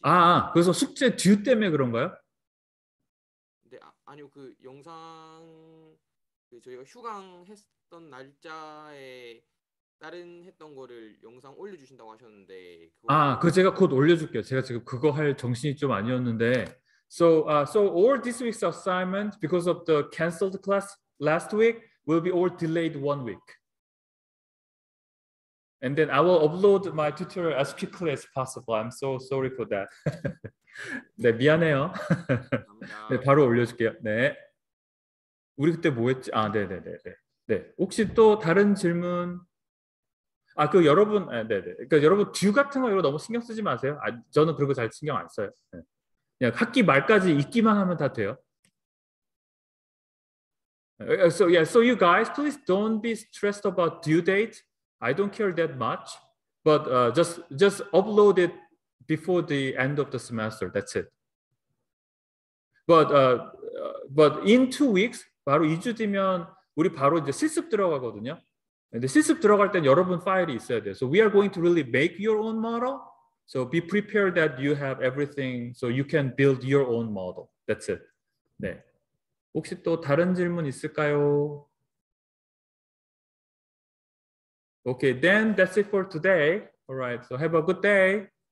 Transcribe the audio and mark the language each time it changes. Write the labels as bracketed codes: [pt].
[ko] 아, 그래서 숙제 듀 때문에 그런가요? 근데 아니요 그 영상 그 저희가 휴강했던 날짜에 다른 했던 거를 영상 올려 주신다고 하셨는데 아, 그거를 그 제가 곧 올려줄게요. 제가 지금 그거 할 정신이 좀 아니었는데. [en] So all this week's assignment, because of the canceled class last week, will be all delayed 1 week. And then I will upload my tutorial as quickly as possible. I'm so sorry for that. [ko] 네, 미안해요. 네, 감사합니다. 바로 올려줄게요. 네. 우리 그때 뭐 했지? 아, 네. 혹시 또 다른 질문? 아, 그 여러분, 아, 네. 그러니까 여러분, 듀 같은 거 이거 너무 신경 쓰지 마세요. 아, 저는 그런 거잘 신경 안 써요. 그냥 학기 말까지 있기만 하면 다 돼요. [en] So you guys, please don't be stressed about due date. I don't care that much, but just upload it before the end of the semester. That's it. But in 2 weeks, [ko] 바로 2주 뒤면 우리 바로 이제 실습 들어가거든요. 근데 실습 들어갈 땐 여러분 파일이 있어야 돼요. [en] So we are going to really make your own model. So be prepared that you have everything so you can build your own model. That's it. [ko] 네. 혹시 또 다른 질문 있을까요? [en] Okay, then that's it for today. All right. So have a good day.